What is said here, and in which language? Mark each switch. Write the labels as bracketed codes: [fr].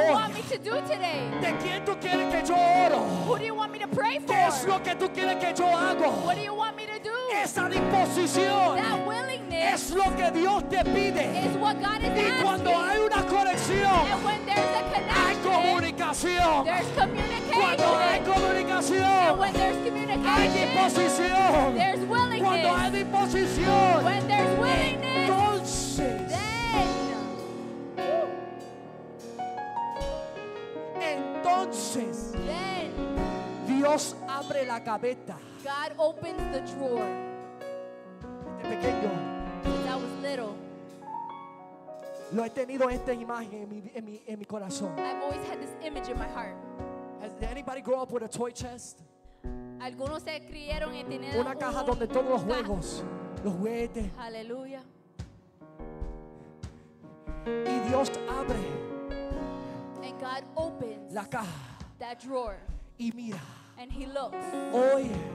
[en] What do you want me to do today? [es] ¿De quién tú quieres que yo oro? [en] Who do you want me to pray for? [es] ¿Qué es lo que tú quieres que yo hago? [en] What do you want me to do? [es] Esa disposición. [en] That willingness. [es] Es lo que Dios te pide. [en] Is what God is asking. [es] Y cuando hay una conexión. [en] And when there's a connection. [es] Hay comunicación. [en] There's communication. [es] Cuando hay comunicación. [en] And when there's communication. [es] Hay disposición. [en] There's willingness. [es] Cuando hay disposición, [en] when there's willingness, [es] entonces, [en] then, [es] entonces, [en] then, [es] Dios abre la gaveta. [en] God opens the drawer. [es] Este pequeño, [en] when I was little, [es] lo he tenido esta imagen en mi corazón. [en] I've always had this image in my heart. Has anybody grown up with a toy chest? [es] Algunos se criaron y tenían una caja donde todos los juegos, los juguetes. Aleluya. Y Dios abre. [en] And God opens [es] la caja. [en] That drawer. [es] Y mira. [en] And he looks. [es] Hoy.